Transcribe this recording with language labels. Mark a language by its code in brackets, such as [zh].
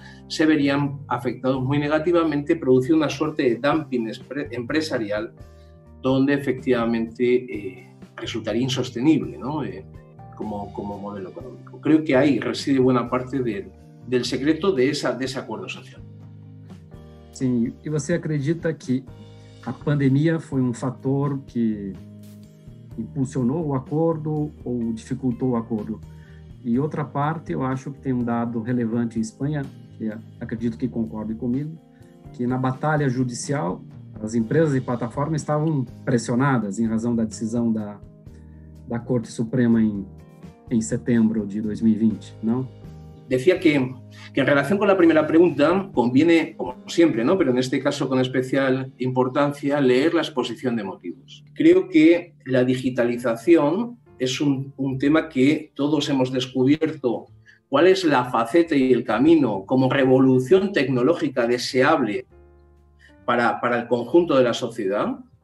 [es] se verían afectados muy negativamente, produciendo una suerte de dumping empresarial donde efectivamente resultaría insostenible, ¿no?, como modelo económico. Creo que ahí reside buena parte del secreto de ese acuerdo social. [pt] Sim, e você acredita que a pandemia foi um fator que impulsionou o acordo ou dificultou o acordo? E outra parte, eu acho que tem um dado relevante em Espanha, que acredito que concorde comigo, que na batalha judicial, as empresas e plataformas estavam pressionadas em razão da decisão da Corte Suprema em setembro de 2020, não? [es] Decía que en relación con la primera pregunta conviene, como siempre, ¿no?, pero en este caso con especial importancia, leer la exposición de motivos. Creo que la digitalización es un tema que todos hemos descubierto cuál es la faceta y el camino como revolución tecnológica deseable para el conjunto de la sociedad.